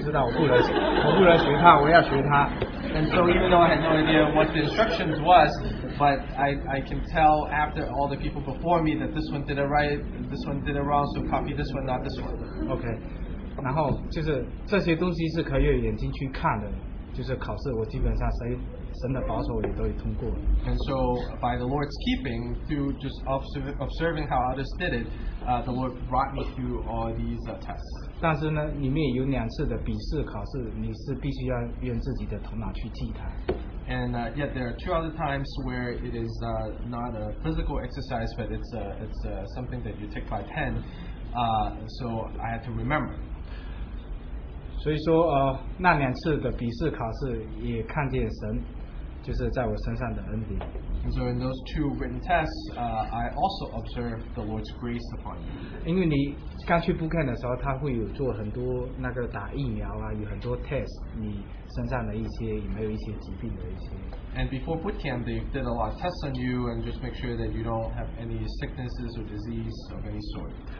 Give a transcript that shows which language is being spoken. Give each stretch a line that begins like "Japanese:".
Chinese: 对，我听不懂，但是我可以用眼睛看。然后我看前面，哎，这个人做对了，这个人做错了，啊，我就知道我不能学他，我要学他。
English: And so even though I had no idea what the instructions was, but I can tell after all the people before me that this one did it right, this one did it wrong, so copy this one, not this one. Okay.
Chinese: 然后就是这些东西是可以用眼睛去看的，就是考试我基本上神的保守也都通过了。
English: And so by the Lord's keeping, through just observing how others did it, the Lord brought me through all these tests.
Chinese: 但是呢，里面有两次的笔试考试，你是必须要用自己的头脑去记它。
English: And yet there are two other times where it is not a physical exercise, but it's something that you take by pen. So I had to remember.
Chinese: 所以说, 那两次的笔试考试也看见神就是在我身上的恩典。
English: And so in those two written tests, I also observed the Lord's grace upon you.
Chinese: 因为你刚去Bootcamp的时候, 他会有做很多那个打疫苗啊, 有很多test, 你身上的一些有没有一些疾病的一些。
English: And before Bootcamp, they did a lot of tests on you and just make sure that you don't have any sicknesses or disease of any sort.